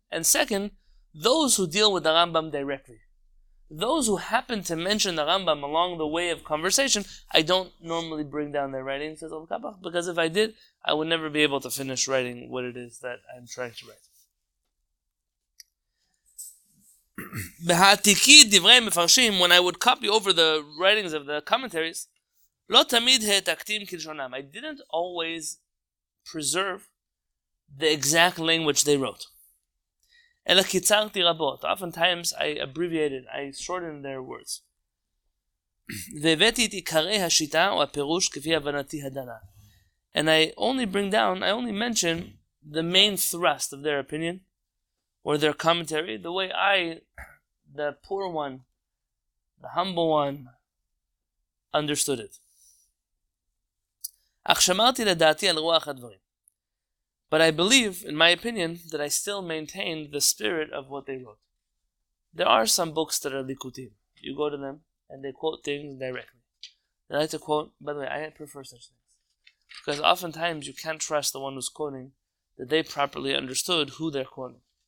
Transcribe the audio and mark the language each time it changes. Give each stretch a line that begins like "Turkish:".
English: And second, those who deal with the Rambam directly. Those who happen to mention the Rambam along the way of conversation, I don't normally bring down their writing, says Rav Kappach, because if I did, I would never be able to finish writing what it is that I'm trying to write.
Hebrew: בהעתיקי דברי מפרשים,
English: when I would copy over the writings of the commentaries,
Hebrew: לא תמיד העתקתים כלשונם.
English: I didn't always preserve the exact language they wrote.
Hebrew: אלא קיצרתי רבות.
English: Oftentimes I abbreviated, I shortened their words.
Hebrew: והבאתי את עיקרי השיטה או הפירוש כפי הבנתי הדנה.
English: And I only bring down, I only mention the main thrust of their opinion or their commentary, the way I, the poor one, the humble one, understood it.
Hebrew: אך שמרתי לדעתי על רוח הדברים.
English: But I believe, in my opinion, that I still maintain the spirit of what they wrote. There are some books that are likutim. You go to them, and they quote things directly. They like to quote, by the way, I prefer such things. Because oftentimes you can't trust the one who's quoting that they properly understood who they're quoting.